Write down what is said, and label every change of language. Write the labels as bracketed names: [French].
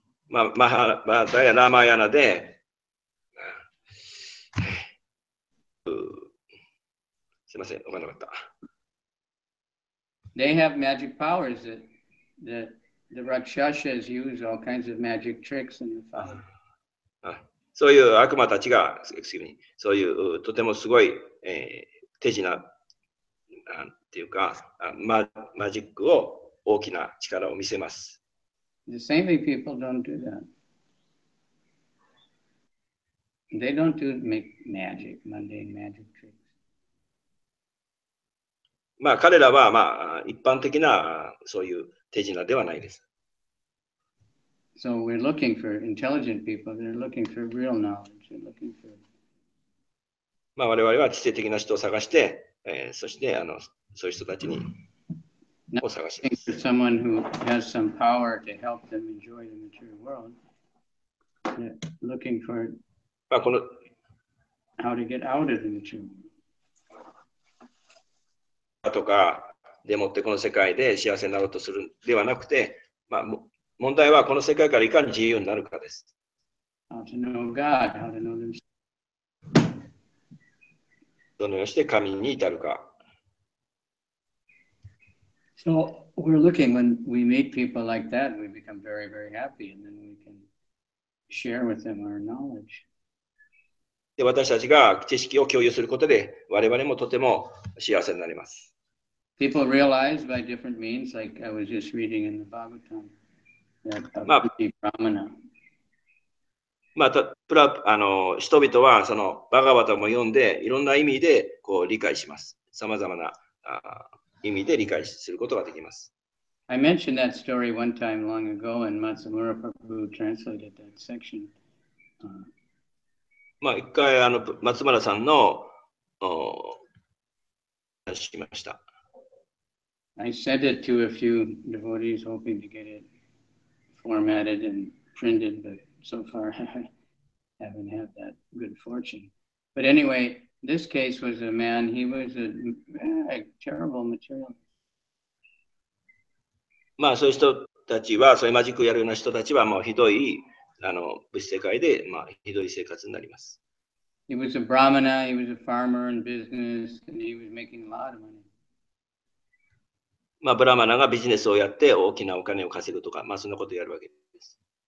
[English] Mahabharata and Ramayana [Japanese] で すいません、分からなかった。 [English] They have magic powers that the Rakshasas use all kinds of magic tricks in the fight. [Japanese] そういう悪魔たちが、そういうとてもすごい、手品なんていうか、マジックを大きな力を見せます。 [English] The same people don't do that. They don't do make magic, mundane magic tricks. [Japanese] まあ彼らはまあ一般的なそういう手品ではないです。 [English] So we're looking for intelligent people. They're looking for real knowledge. They're looking for. [Japanese] まあ我々は知性的な人を探して、そしてそういう人たちにを探して。 [English] Looking for someone who has some power to help them enjoy the material world. Looking for. [Japanese] まあこの。 [English] How to get out of the material world. [Japanese] とかでもってこの世界で幸せになろうとするではなくて、まあ問題はこの世界からいかに自由になるかです。 [English] How to know God, how to know themselves. [Japanese] どのようにして神に至るか。 [English] So we're looking when we meet people like that, we become very, very happy, and then we can share with them our knowledge. [Japanese] で、私たちが知識を共有することで、我々もとても幸せになります。 [English] People realize by different means, like I was just reading in the Bhagavatam. まあ、 [Japanese] まあ、プラ、あの、人々はそのバガバタも読んで、いろんな意味でこう理解します。さまざまな意味で理解することができます。 [English] I mentioned that story one time long ago, and Matsumura Prabhu translated that section. [Japanese] まあ、一回あの松村さんの話しました。 [English] I sent it to a few devotees hoping to get it formatted and printed, but so far I haven't had that good fortune. But anyway, this case was a man, he was a terrible material. [Japanese] まあそういう人たちは、そういうマジックをやるような人たちはもうひどい、あの、物質世界で、まあ、ひどい生活になります。 [English] He was a brahmana, he was a farmer in business, and he was making a lot of money. [Japanese] まあ、ブラマナがビジネスをやって大きなお金を稼ぐとか、まあ、そんなことをやるわけです。